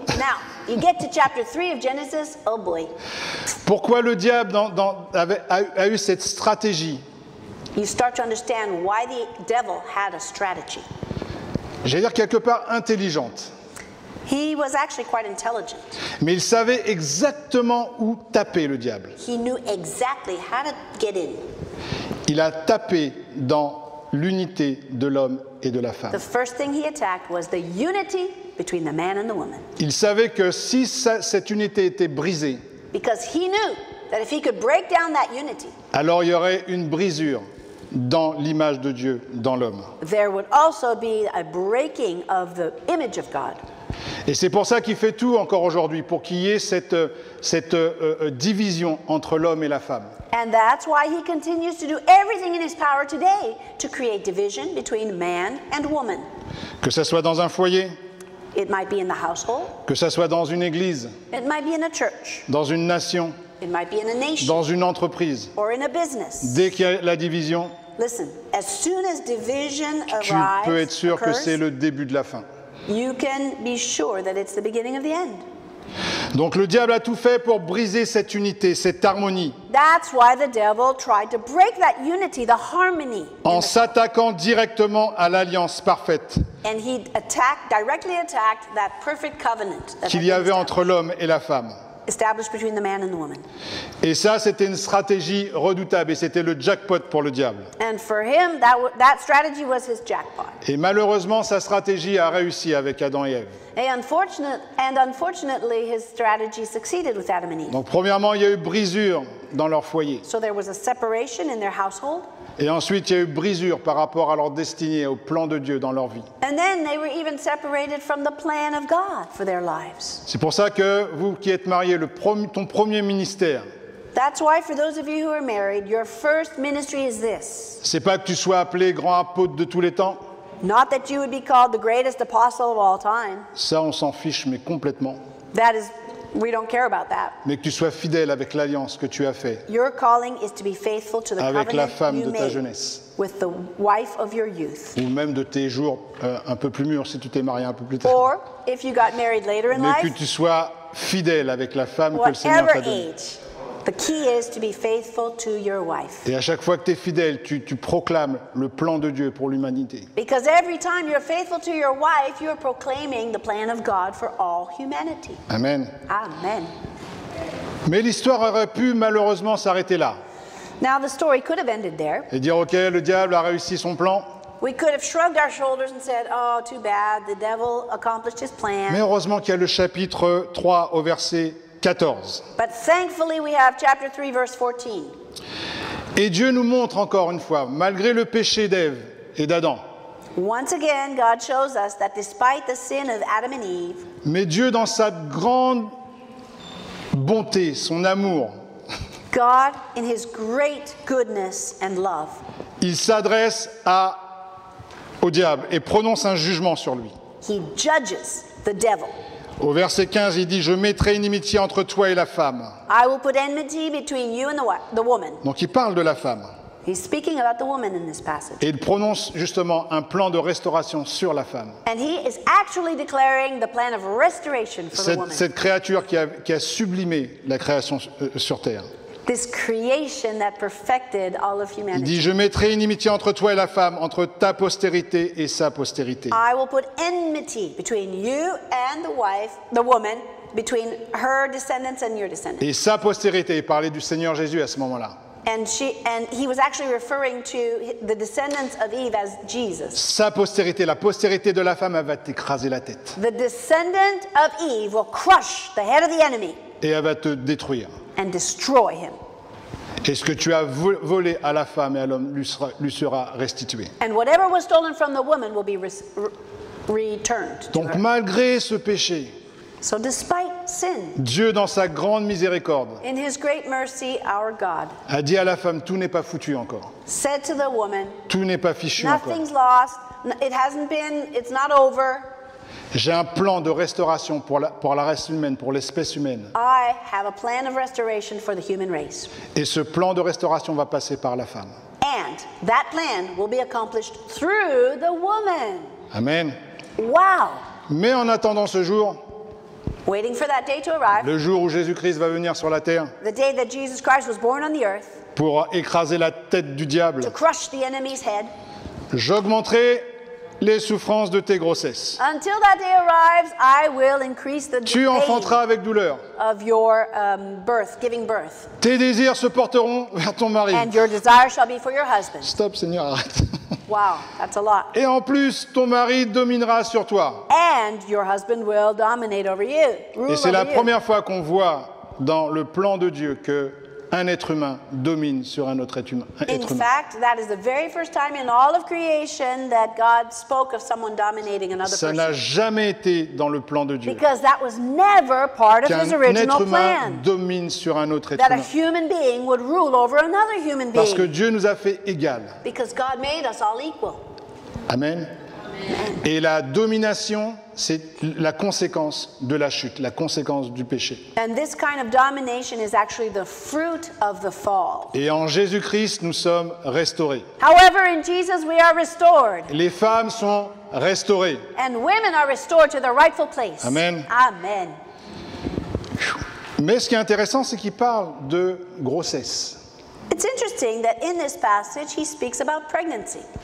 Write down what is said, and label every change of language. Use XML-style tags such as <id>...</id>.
<en>Now, you get to chapter 3 of Genesis, oh boy.</en> <fr>Pourquoi le diable a eu cette stratégie?</fr> <en>You start to understand why the devil had a strategy.</en> <fr>J'allais dire quelque part intelligente.</fr> <en>He was actually quite intelligent.</en> <fr>Mais il savait exactement où taper le diable.</fr> <en>He knew exactly how to get in.</en> <fr>Il a tapé dans l'unité de l'homme et de la femme.</fr> <en>The first thing he attacked was the unity between the man and the woman.</en> <fr>Il savait que si cette unité était brisée.</fr> <en>Because he knew that if he could break down that unity.</en> <fr>Alors il y aurait une brisure dans l'image de Dieu dans l'homme.</fr> <en>There would also be a breaking of the image of God.</en> <fr>Et c'est pour ça qu'il fait tout encore aujourd'hui pour qu'il y ait cette division entre l'homme et la femme.</fr> <en>And that's why he continues to do everything in his power today to create division between man and woman.</en> <fr>Que ce soit dans un foyer.</fr> <en>It might be in the household.</en> <fr>Que ça soit dans une église.</fr> <en>It might be in a church.</en> <fr>Dans une nation.</fr> <en>It might be in a nation.</en> <fr>Dans une entreprise.</fr> <en>Or in a business.</en> <fr>Dès qu'il y a la division.</fr> <en>Listen, as soon as division arrives,</en> <fr>tu peux être sûr que c'est le début de la fin.</fr> <en>You can be sure that it's the beginning of the end.</en> <fr>Donc le diable a tout fait pour briser cette unité, cette harmonie.</fr> <en>That's why the devil tried to break that unity, the harmony.</en> <fr>En s'attaquant directement à l'alliance parfaite.</fr> <en>And he attacked, directly attacked that perfect covenant</en> <fr>qu'il y avait entre l'homme et la femme.</fr> <en>Established between the man and the woman.</en> <fr>Et ça, c'était une stratégie redoutable et c'était le jackpot pour le diable.</fr> <en>And for him, that strategy was his jackpot.</en> <fr>Et malheureusement, sa stratégie a réussi avec Adam et Ève.</fr> <en>And unfortunately, his strategy succeeded with Adam and Eve.</en> <fr>Donc premièrement, il y a eu brisure dans leur foyer.</fr> <en>So there was a separation in their household.</en> <fr>Et ensuite, il y a eu brisure par rapport à leur destinée, au plan de Dieu dans leur vie.</fr> <en>And then they were even separated from the plan of God for their lives.</en> <fr>C'est pour ça que vous qui êtes mariés, ton premier ministère.</fr> <en>That's why for those of you who are married, your first ministry is this.</en> <fr>C'est pas que tu sois appelé grand apôtre de tous les temps.</fr> <en>Not that you would be called the greatest apostle of all time.</en> <fr>Ça, on s'en fiche, mais complètement.</fr> <en>That is, we don't care about that.</en> <fr>Mais que tu sois fidèle avec l'alliance que tu as fait.</fr> <en>Your calling is to be faithful to the</en> <fr>avec</fr> <en>covenant</en> <fr>la femme</fr> <en>you</en> <fr>de ta</fr> <en>made</en> <fr>jeunesse.</fr> <en>With the wife of your youth.</en> <fr>Ou même de tes jours un peu plus mûrs si tu t'es marié un peu plus tard.</fr> <en>Or if you got married later in</en> <fr>mais</fr> <en>life.</en> <fr>Mais que tu sois fidèle avec la femme</fr> <en>whatever</en> <fr>que le Seigneur t'a donnée.</fr> <en>Age, the key is to be faithful to your wife.</en> <fr>Et à chaque fois que tu es fidèle, tu proclames le plan de Dieu pour l'humanité.</fr> <en>Because every time you're faithful to your wife, you're proclaiming the plan of God for all humanity. Amen. Amen.</en> <fr>Mais l'histoire aurait pu malheureusement s'arrêter là.</fr> <en>Now the story could have ended there.</en> <fr>Et dire OK, le diable a réussi son plan.</fr> <en>We could have shrugged our shoulders and said, oh, too bad, the devil accomplished his plan.</en> <fr>Mais heureusement qu'il y a le chapitre 3 au verset 14.</fr> <en>But thankfully we have chapter 3 verse 14.</en> <fr>Et Dieu nous montre encore une fois malgré le péché d'Ève et d'Adam.</fr> <en>Once again God shows us that despite the sin of Adam and Eve.</en> <fr>Mais Dieu dans sa grande bonté, son amour.</fr> <en>God in his great goodness and love.</en> <fr>Il s'adresse au diable et prononce un jugement sur lui.</fr> <en>He judges the devil.</en> <fr>Au verset 15, il dit, je mettrai inimitié entre toi et la femme.</fr> <en>I will put enmity between you and the woman.</en> <fr>Donc il parle de la femme.</fr> <en>He's speaking about the woman in this passage.</en> <fr>Et il prononce justement un plan de restauration sur la femme.</fr> <en>And he is actually declaring the plan of restoration for</en> <fr>cette,</fr> <en>the woman.</en> <fr>Cette créature qui a sublimé la création sur terre.</fr> <en>This creation that perfected all of humanity.</en> <fr>Il dit, je mettrai inimitié entre toi et la femme, entre ta postérité et sa postérité.</fr> <en>I will put enmity between you and the wife, the woman, between her descendants and your descendants.</en> <fr>Et sa postérité, il parlait du Seigneur Jésus à ce moment-là.</fr> <en>And he was actually referring to the descendants of Eve as Jesus.</en> <fr>Sa postérité, la postérité de la femme, elle va t'écraser la tête.</fr> <en>The descendant of Eve will crush the head of the enemy.</en> <fr>Et elle va te détruire.</fr> <en>And destroy him.</en> <fr>Et ce que tu as volé à la femme et à l'homme lui sera restitué.</fr> <en>And whatever was stolen from the woman will be returned.</en> <fr>Donc malgré ce péché.</fr> <en>So despite sin.</en> <fr>Dieu dans sa grande miséricorde.</fr> <en>In his great mercy, our God.</en> <fr>A dit à la femme, tout n'est pas foutu encore.</fr> <en>Said to the woman.</en> <fr>Tout n'est pas fichu</fr> <en>encore. Nothing's lost. It hasn't been. It's not over.</en> <fr>J'ai un plan de restauration pour la race humaine, pour l'espèce humaine.</fr> <en>I have a plan of restoration for the human race.</en> <fr>Et ce plan de restauration va passer par la femme.</fr> <en>And that plan will be accomplished through the woman. Amen. Wow.</en> <fr>Mais en attendant ce jour,</fr> <en>waiting for that day to arrive,</en> <fr>le jour où Jésus-Christ va venir sur la terre,</fr> <en>the day that Jesus Christ was born on the earth,</en> <fr>pour écraser la tête du diable,</fr> <en>to crush the enemy's head,</en> <fr>j'augmenterai les souffrances de tes grossesses.</fr> <en>Until that day arrives, I will increase the</en> <fr>tu enfanteras avec douleur.</fr> <en>Of your, birth, giving birth.</en> <fr>Tes désirs se porteront vers ton mari.</fr> <en>And your desire shall be for your husband.</en> <fr>Stop, Seigneur, arrête.</fr> <en>Wow, that's a lot.</en> <fr>Et en plus, ton mari dominera sur toi.</fr> <en>And your husband will dominate over you.</en> <fr>Et c'est la</fr> <en>you.</en> <fr>Première fois qu'on voit dans le plan de Dieu que un être humain domine sur un autre être humain.</fr> <en>In fact, that is the very first time in all of creation that God spoke of someone dominating another person.</en> <fr>Ça n'a jamais été dans le plan de Dieu.</fr> <en>Because that was never part of his original plan.</en> <fr>Qu'un être humain domine sur un autre être humain.</fr> <en>That a human being would rule over another human being.</en> <fr>Parce que Dieu nous a fait égal.</fr> <en>Because God made us all equal. Amen.</en> <fr>Et la domination, c'est la conséquence de la chute, la conséquence du péché.</fr> <en>And this kind of domination is actually the fruit of the fall.</en> <fr>Et en Jésus-Christ, nous sommes restaurés.</fr> <en>However, in Jesus, we are restored.</en> <fr>Les femmes sont restaurées.</fr> <en>And women are restored to their rightful place. Amen. Amen.</en> <fr>Mais ce qui est intéressant, c'est qu'il parle de grossesse.</fr> <en>It's interesting that in this passage, he speaks about pregnancy.</en>